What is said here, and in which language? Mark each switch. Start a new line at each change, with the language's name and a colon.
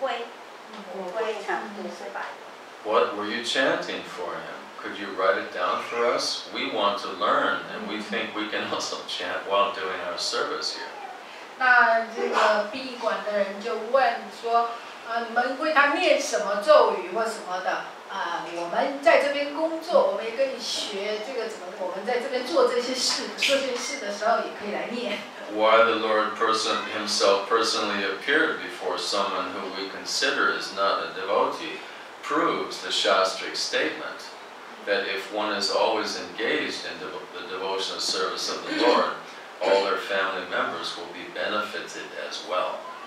Chinese: 然后这个人就说呢，我们从来没有见过一个人的骨头是这么白哈，这么特别的，不一样。骨灰，骨灰，骨灰是白的。
English: What were you chanting for him? Could you write it down for us? We want to learn, and we think we can also chant while doing our service here.
Chinese: 那这个殡仪馆的人就问说，你们为他念什么咒语或什么的？我们在这边工作，我们也跟你学这个怎么，我们在这边做这些事的时候，也可以来念。
English: Why the Lord person himself personally appeared before someone who we consider is not a devotee proves the Shastric statement that if one is always engaged in the devotional service of the Lord, all their family members will be benefited as well.